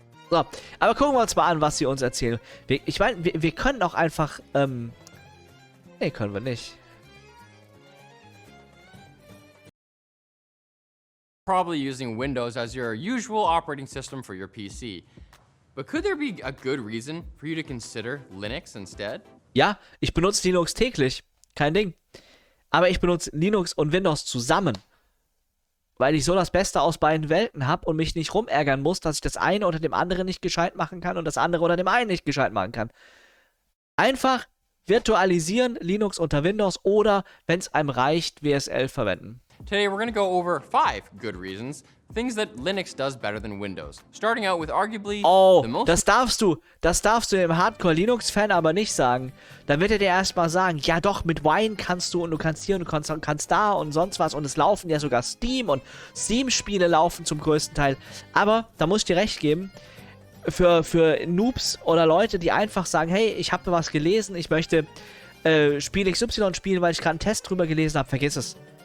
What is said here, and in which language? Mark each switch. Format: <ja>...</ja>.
<de>So, aber gucken wir uns mal an, was sie uns erzählen. Wir können auch einfach, nee, können wir nicht.</de> <en>Probably using Windows as your usual operating system for your PC. But could there be a good reason for you to consider Linux instead?</en> <de>Ja, ich benutze Linux täglich. Kein Ding. Aber ich benutze Linux und Windows zusammen. Weil ich so das Beste aus beiden Welten habe und mich nicht rumärgern muss, dass ich das eine oder dem anderen nicht gescheit machen kann und das andere oder dem einen nicht gescheit machen kann. Einfach virtualisieren Linux unter Windows oder, wenn es einem reicht, WSL verwenden.</de> <en>Today, we're gonna go over 5 good reasons, things that Linux does better than Windows. Starting out with arguably the most...</en> <de>Oh, das darfst du dem Hardcore-Linux-Fan aber nicht sagen. Dann wird er dir erstmal sagen, ja doch, mit Wine kannst du und du kannst hier und du kannst da und sonst was. Und es laufen ja sogar Steam und Steam-Spiele laufen zum größten Teil. Aber, da muss ich dir recht geben, für Noobs oder Leute, die einfach sagen, hey, ich habe was gelesen, ich möchte Spiel XY spielen, weil ich gerade einen Test drüber gelesen habe, vergiss es.</de>